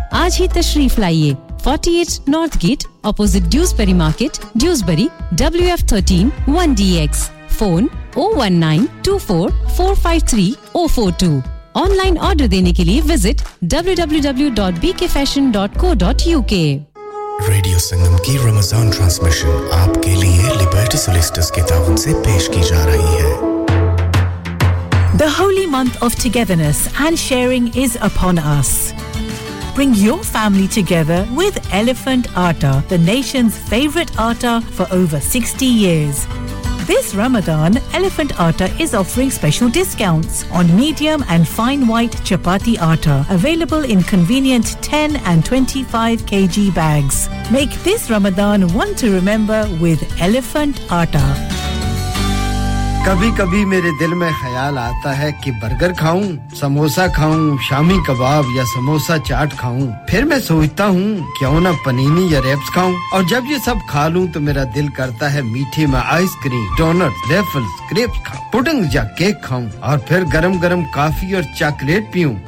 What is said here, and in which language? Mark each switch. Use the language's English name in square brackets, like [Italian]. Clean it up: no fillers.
[Hindi] आज ही तशरीफ लाइए 48 north gate opposite Dewsbury market Dewsbury WF13 1DX phone 01924453042 online order देने के लिए विजिट www.bkfashion.co.uk रेडियो संगम की रमजान ट्रांसमिशन आपके लिए लिबर्टी सॉलिस्टर्स के तावन से पेश की जा रही है [English] The holy month of togetherness and sharing is upon us. Bring your family together with Elephant Atta, the nation's favorite atta for over 60 years. This Ramadan, Elephant Atta is offering special discounts on medium and fine white chapati atta, available in convenient 10 and 25 kg bags. Make this Ramadan one to remember with Elephant Atta. [Hindi] कभी कभी मेरे दिल में ख्याल आता है कि burger खाऊं, समोसा खाऊं, शामी कबाब या समोसा चाट खाऊं। फिर मैं सोचता हूं क्यों ना पनीनी या रेप्स खाऊं। और जब ये सब खा लूं तो मेरा दिल करता है मीठे में आइसक्रीम, डोनट, वेफल्स, क्रेप्स खाऊं, पुडिंग या केक खाऊं और फिर गरम-गरम कॉफी और चॉकलेट पीऊं।